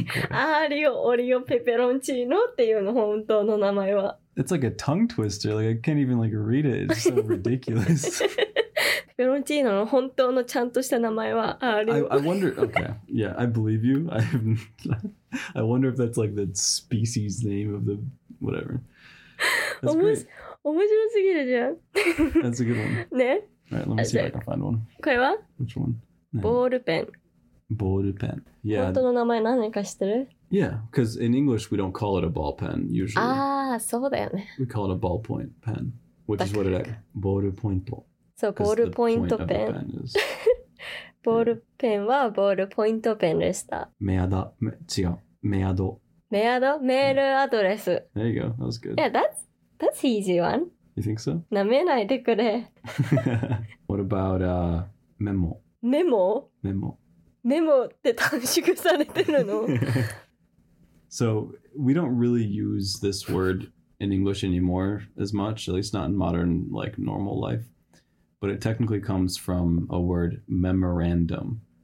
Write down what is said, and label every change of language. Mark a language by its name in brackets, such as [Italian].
[Japanese] アーリオオリオペペロンチーノっていうの本当の名前は。 [English] It's like a tongue twister. Like, I can't even like read it. It's so ridiculous. [Japanese] ペペロンチーノの本当のちゃんとした名前はアーリオ。 [English] I wonder, okay, yeah, I believe you. I wonder if that's like the species name of the whatever. That's great. [Japanese] 面白すぎるじゃん。 [English] That's a good one. [Japanese] ね。 [English] Alright, let me see if I can find one. [Japanese] これは? [English] Which one? [Japanese] ボールペン。ボールペン。Yeah. 本当の名前何か知ってる? [English] Yeah, because in English we don't call it a ball pen, usually. [Japanese] ああ、そうだよね。 [English] We call it a ballpoint pen, which is what it is. [Japanese] ボールポイント。そう、ボールポイントペン。ボールペンはボールポイントペンでした。メアド、違う、メアド。メアド、メールアドレス。 [English] There you go, that was good. Yeah, that's easy one. You think so? [Japanese] 舐めないでくれ。 [English] What about メモ？ [Japanese] メモ？メモ。メモって短縮されてるの？ [English] So, we don't really use this word in English anymore as much, at least not in modern, like, normal life. But it technically comes from a word memorandum.